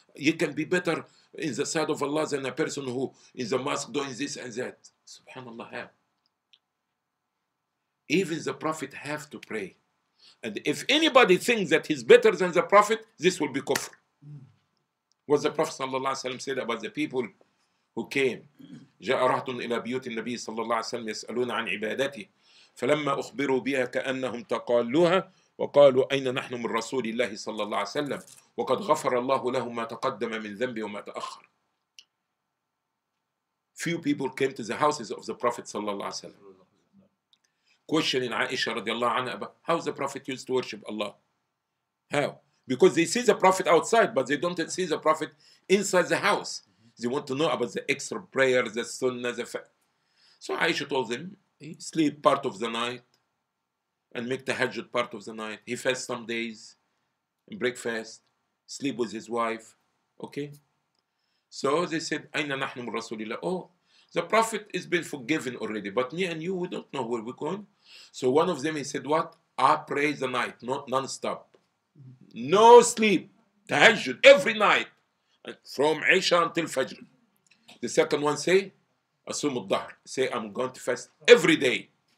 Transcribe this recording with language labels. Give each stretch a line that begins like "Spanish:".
English: You can be better in the sight of Allah than a person who in the mosque doing this and that. Subhanallah. Even the Prophet have to pray. And if anybody thinks that he's better than the Prophet, this will be kufr. What the Prophet ﷺ said about the people who came.
Arabic: جاء رهط إلى بيوت النبي صلى الله عليه وسلم يسألون عن عبادته، فلما أخبروا بها كأنهم تقالوها وقالوا أين نحن من رسول الله صلى الله عليه وسلم، وقد غفر الله له ما تقدم من ذنب وما تأخر.
English: Few people came to the houses of the Prophet
Arabic: صلى الله عليه وسلم.
English: Questioning Aisha
Arabic: رضي الله عنها
English: about how the Prophet used to worship Allah. How? Because they see the Prophet outside, but they don't see the Prophet inside the house. They want to know about the extra prayer, the sunnah, the fa. So Aisha told them, he sleep part of the night and make tahajjud part of the night. He fast some days, and breakfast, sleep with his wife. Okay? So they said,
Arabic: أين نحن من رسول الله?
English: Oh, the Prophet has been forgiven already, but me and you, we don't know where we're going. So one of them, he said, what? I pray the night, not non-stop. No sleep, tahajjud, every night, from Isha until Fajr. The second one say,
Arabic: أصوم الظهر,
English: say, I'm going to fast every day.